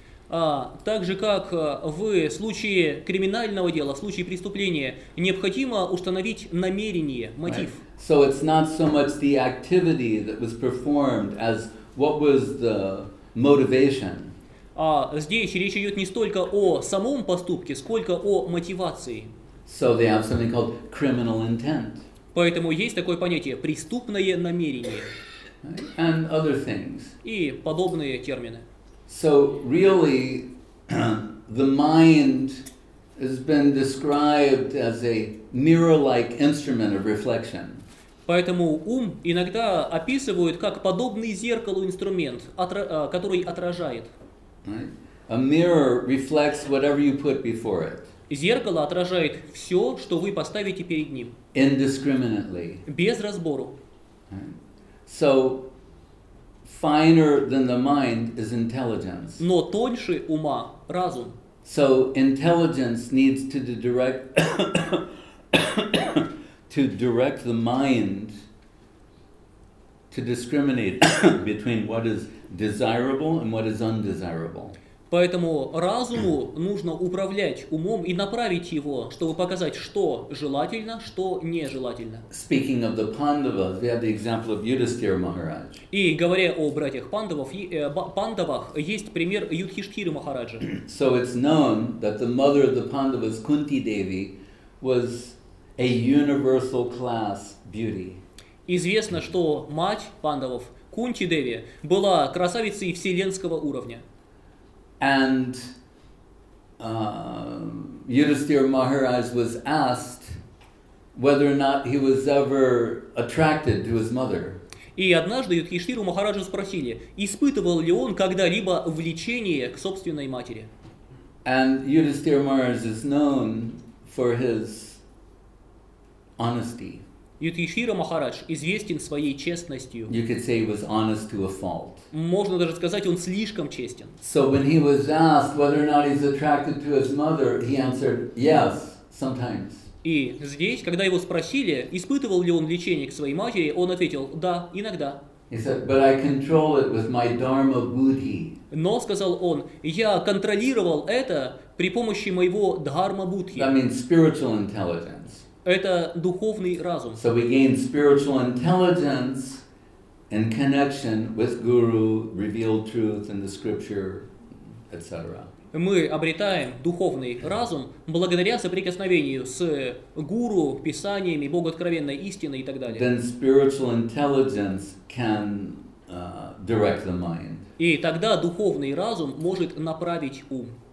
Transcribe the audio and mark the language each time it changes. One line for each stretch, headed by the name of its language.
Russian: Так же, как в случае криминального дела, в случае преступления, необходимо установить намерение, мотив.
English: Right. So it's not so much the activity that was performed as what was the motivation.
Russian: Здесь речь идет не столько о самом поступке, сколько о мотивации.
English: So they have something called criminal intent.
Russian: Поэтому есть такое понятие преступное намерение.
English: And other things.
Russian: И подобные термины.
English: So really, the mind has been described as a mirror-like instrument of reflection.
Russian: Поэтому ум иногда описывают как подобный зеркалу инструмент, который отражает.
English: Right. A mirror reflects whatever you put before it.
Russian: Зеркало отражает все, что вы поставите перед ним.
English: Indiscriminately.
Russian: Без разбору.
English: Right. So, finer than the mind is intelligence.
Russian: Но тоньше ума – разум.
English: So, intelligence needs to direct... to direct the mind to discriminate between what is desirable and what is undesirable.
Russian: Поэтому разуму нужно управлять умом и направить его, чтобы показать, что желательно, что нежелательно.
English: Speaking of the Pandavas, we have the example of Yudhishthira Maharaj.
Russian: И говоря о братьях Пандавах, есть пример Юдхиштхиры Махараджа.
English: So it's known that the mother of the Pandavas, Kunti Devi, was a universal class beauty.
Russian: Известно, что мать Пандавов, Кунти Деви, была красавицей вселенского уровня.
English: And Yudhishthira Maharaj was asked whether or not he was ever attracted to his mother.
Russian: И однажды Юдхиштхиру Махараджу спросили, испытывал ли он когда-либо влечение к собственной матери.
English: And Yudhishthira Maharaj is known for his honesty.
Russian: Юдхиштхира Махарадж известен своей честностью.
English: You could say he was honest to a fault.
Russian: Можно даже сказать, он слишком честен.
English: So when he was asked whether or not he's attracted to his mother, he answered, yes, sometimes.
Russian: И здесь, когда его спросили, испытывал ли он влечение к своей матери, он ответил, да, иногда.
English: He said, but I control it with my dharma buddhi.
Russian: Но, сказал он, я контролировал это при помощи моего дхарма будхи.
English: That means spiritual intelligence.
Russian: Это духовный разум.
English: So we gain spiritual intelligence in connection with guru, revealed truth in the scripture, etc.
Russian: Мы обретаем духовный разум благодаря соприкосновению с гуру, писаниями, богооткровенной истиной и так далее.
English: Then spiritual intelligence can direct the mind.
Russian: И тогда духовный разум может направить ум.